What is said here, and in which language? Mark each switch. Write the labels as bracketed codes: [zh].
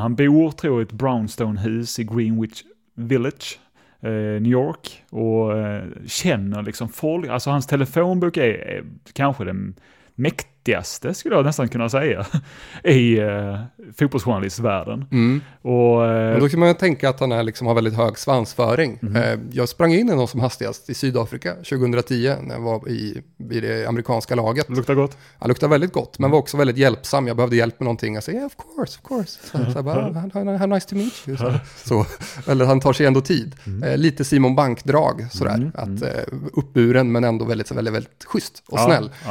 [sv] Han bor, tror jag, i ett brownstonehus i Greenwich Village, New York, och känner liksom folk, alltså hans telefonbok är kanske den mäktigaste, skulle jag nästan kunna säga, i fotbollsjournalistvärlden. Mm. Och då kan man tänka att han är, liksom, har väldigt hög svansföring. Mm. Jag sprang in i någon som hastigast i Sydafrika 2010 när jag var i det amerikanska laget. Luktar gott. Han luktar väldigt gott, men var också väldigt hjälpsam. Jag behövde hjälp med någonting. Jag sa, [en] yeah, of course. [sv] Så jag bara, [en] how nice to meet you. [sv] Så, eller han tar sig ändå tid. Mm. Lite Simon Bank-drag, sådär. Mm. Att, uppburen, men ändå väldigt, väldigt, väldigt schysst och snäll.